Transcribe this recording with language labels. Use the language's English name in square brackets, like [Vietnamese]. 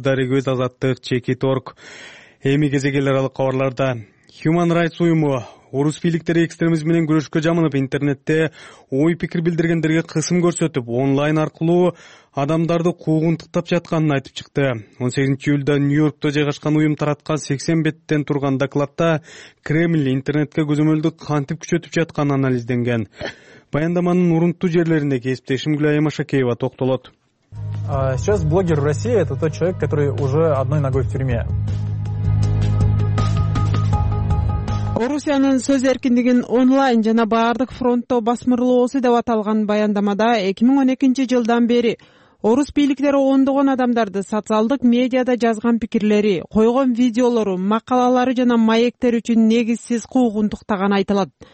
[Kyrgyz] Дарегибиз Азаттык, Чекит.орг. Эми кезек эле аралык кабарларда Human Rights уюму орус бийликтери экстремизм менен күрөшкө жамынып, интернетте ой пикир билдиргендерге кысым көрсөтүп, онлайн аркылуу адамдарды куугунтуктап жатканын айтып чыкты. 18 июлда Нью-Йоркто жайгашкан уюм тараткан 80 беттен турган докладта Кремль интернетке көзөмөлдү кантип күчөтүп жатканы анализденген. Баяндаманын урунтуу жерлеринде кесиптешим Гүлайым Ашакеева токтолот. [Russian] Сейчас блогер в России — это тот человек, который уже одной ногой в тюрьме. [Kyrgyz] Орусиянын сөз эркиндигин онлайн жана баардык фронтто басмырлоосу деп аталган баяндамада 2012 жылдан бери орус бийликтери ондогон адамдарды социалдык медиада жазган пикирлери, койгон видеолору, макалалары жана маектери үчүн негизсиз куугунтуктаганы айтылат.